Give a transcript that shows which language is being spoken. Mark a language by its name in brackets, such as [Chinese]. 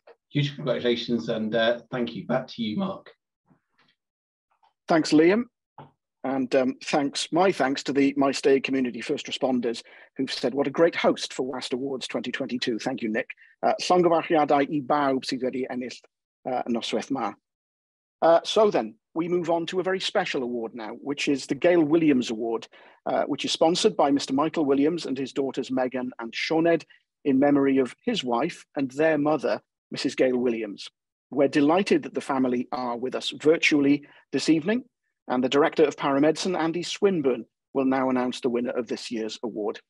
[English] Huge congratulations and thank you. Back to you, Mark. Thanks, Liam. And my thanks to the My Stay community first responders who've said, what a great host for WAST Awards 2022. Thank you, Nick. [Welsh] Llongyfarchiadau I bawb sydd wedi ennill noswaith ma. [English] So then, we move on to a very special award now, which is the Gail Williams Award, which is sponsored by Mr. Michael Williams and his daughters, Megan and Seaned, in memory of his wife and their mother, Mrs. Gail Williams. We're delighted that the family are with us virtually this evening, and the Director of Paramedicine, Andy Swinburne, will now announce the winner of this year's award.